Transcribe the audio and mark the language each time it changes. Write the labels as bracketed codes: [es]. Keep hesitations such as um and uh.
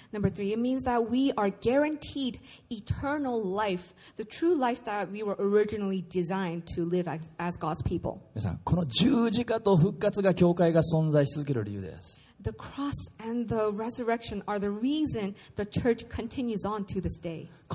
[en] three, it means that we are guaranteed eternal life, the true life that we were originally designed to live as, as God's people. [ja] 皆さん、この十字架と復活が教会が存在し続ける理由です。 [en] the cross and the resurrection are the reason the church continues on to this day.